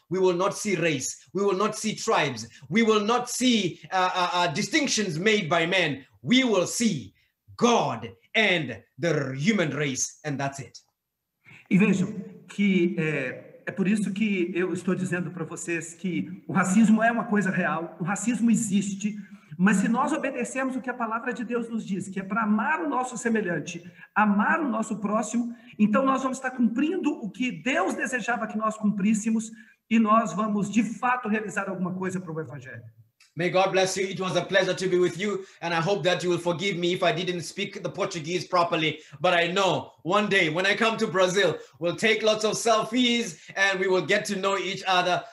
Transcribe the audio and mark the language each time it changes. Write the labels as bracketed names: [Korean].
[English] We will not see race. We will not see tribes. We will not see distinctions made by men. We will see God and the human race, and that's it. [Portuguese] E vejam que é por isso que eu estou dizendo para vocês que o racismo é uma coisa real, o racismo existe, mas se nós obedecermos o que a palavra de Deus nos diz, que é para amar o nosso semelhante, amar o nosso próximo, então nós vamos estar cumprindo o que Deus desejava que nós cumpríssemos e nós vamos de fato realizar alguma coisa para o evangelho. [English] May God bless you. It was a pleasure to be with you. And I hope that you will forgive me if I didn't speak the Portuguese properly. But I know one day when I come to Brazil, we'll take lots of selfies and we will get to know each other.